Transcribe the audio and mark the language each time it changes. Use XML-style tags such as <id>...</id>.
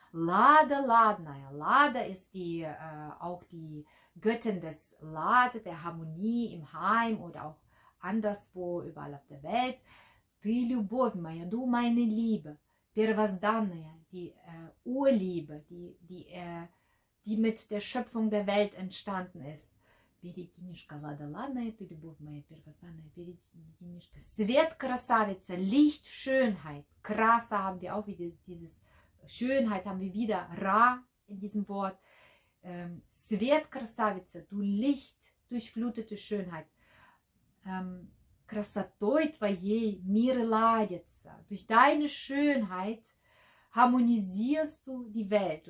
<de>Lada, Ladnaya. Lada ist die, auch die Göttin des Lade, der Harmonie im Heim oder auch anderswo, überall auf der Welt.</de> <ru>Ты любовь моя,</ru> <de>du meine Liebe,</de> <ru>первозданная,</ru> <de>die Urliebe, die mit der Schöpfung der Welt entstanden ist.</de> <ru>Берегинюшка, лада, ладная, ты любовь моя первозданная, берегинюшка. Свет, красавица,</ru> <de>Licht, Schönheit. Краса haben wir auch wieder, dieses Schönheit haben wir wieder, Ra in diesem Wort.</de> <ru>Свет, красавица,</ru> <de>du Licht, durchflutete Schönheit.</de> <ru>Красотой твоей мир ладится,</ru> <de>durch deine Schönheit harmonisierst du die Welt.</de>